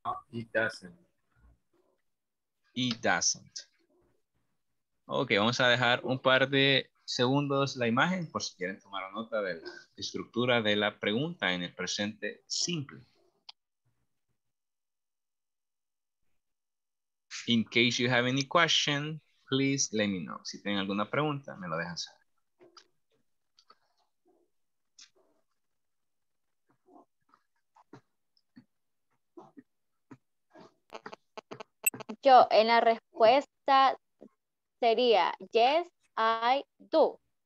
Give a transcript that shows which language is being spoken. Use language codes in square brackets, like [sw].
[en] It doesn't. It doesn't. [es] Ok, vamos a dejar un par de segundos la imagen por si quieren tomar nota de la estructura de la pregunta en el presente simple. [en] In case you have any question, please let me know. [es] Si tienen alguna pregunta, me lo dejan saber. Yo, en la respuesta sería, [en] yes, I do.